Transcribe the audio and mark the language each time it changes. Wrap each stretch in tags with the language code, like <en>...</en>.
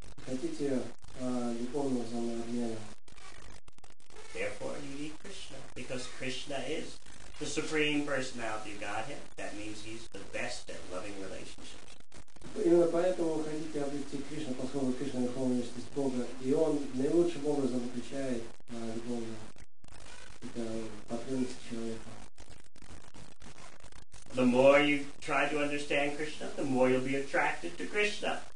<ru>Хотите любовного взаимообмена.</ru> <en>Therefore, you need Krishna, because Krishna is the Supreme Personality of Godhead. That means He's the best at loving relationships.</en> <ru>Именно поэтому вы хотите обрести Кришну, поскольку Кришна – верховная личность Бога, и Он наилучшим образом отвечает на любовные потребности человека.</ru> <en>The more you try to understand Krishna, the more you'll be attracted to Krishna.</en>